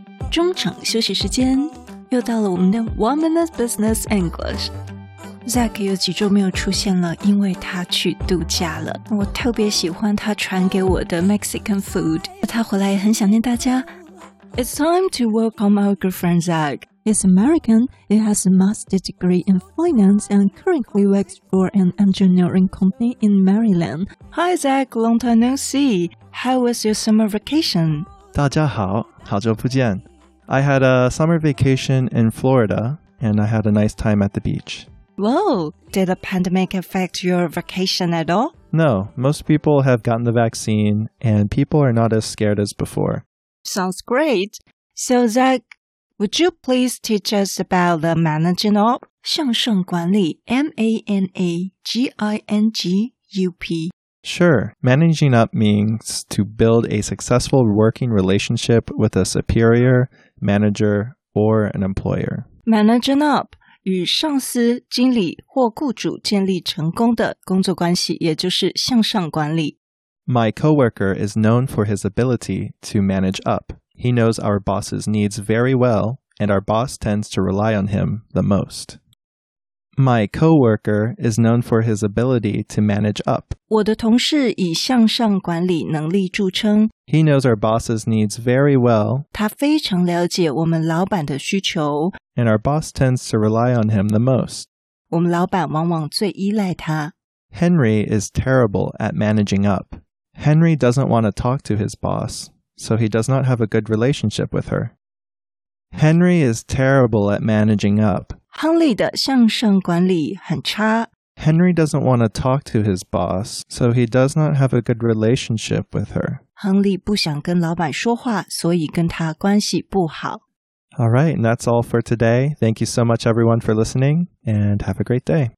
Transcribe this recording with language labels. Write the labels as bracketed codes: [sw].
[zh] 中场休息时间，又到了我们的 One Minute Business English。 Zach 有几周没有出现了，因为他去度假了。我特别喜欢他传给我的 [en] Mexican food， [zh] 他回来也很想念大家。 [en] It's time to welcome our good friend Zach. He's American, he has a master's degree in finance and currently works for an engineering company in Maryland. Hi Zach, long time no see. How was your summer vacation? [zh] 大家好，好久不见。 [en] I had a summer vacation in Florida, and I had a nice time at the beach. Whoa! Did the pandemic affect your vacation at all? No, most people have gotten the vaccine, and people are not as scared as before. Sounds great! So, Zach, would you please teach us about the managing up? [zh] 向上管理 MANAGINGUP [en] Sure. Managing up means to build a successful working relationship with a superior, manager, or an employer. [zh] Managing up, 与上司、经理或雇主建立成功的工作关系，也就是向上管理。 [en] My coworker is known for his ability to manage up. He knows our boss's needs very well, and our boss tends to rely on him the most. My coworker is known for his ability to manage up. [zh] 我的同事以向上管理能力著称。 [en] He knows our boss's needs very well. [zh] 他非常了解我们老板的需求。 [en] And our boss tends to rely on him the most. [zh] 我们老板往往最依赖他。 [en] Henry is terrible at managing up. Henry doesn't want to talk to his boss, so he does not have a good relationship with her. Henry is terrible at managing up. [zh] 亨利的向上管理很差， [en] Henry doesn't want to talk to his boss, so he does not have a good relationship with her. [zh] 亨利不想跟老板说话，所以跟他关系不好。 [en] All right, and that's all for today. Thank you so much, everyone, for listening, and have a great day.